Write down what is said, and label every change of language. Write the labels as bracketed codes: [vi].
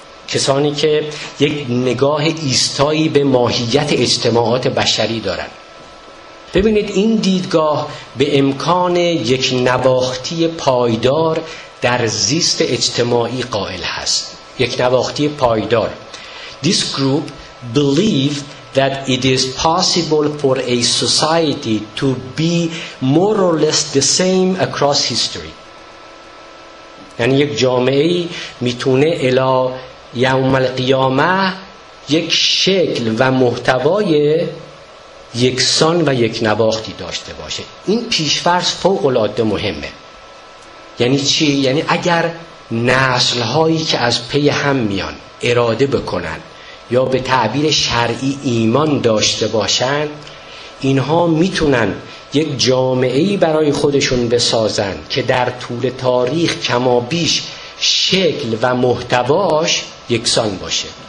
[fa] کسانی که یک نگاه ایستایی به ماهیت اجتماعات بشری دارند، ببینید این دیدگاه به امکان یک نواختی پایدار در زیست اجتماعی قائل هست. یک نواختی پایدار. [en] This group believe that it is possible for a society to be more or less the same across history. [fa] یعنی یک جامعه میتونه الی یوم القیامه یک شکل و محتوای یکسان و یک نواختی داشته باشه. این پیشفرض فوق العاده مهمه. یعنی چی؟ یعنی اگر نسل هایی که از پی هم میان اراده بکنن یا به تعبیر شرعی ایمان داشته باشن، اینها میتونن یک جامعه ای برای خودشون بسازن که در طول تاریخ کما بیش شکل و محتواش یکسان باشه.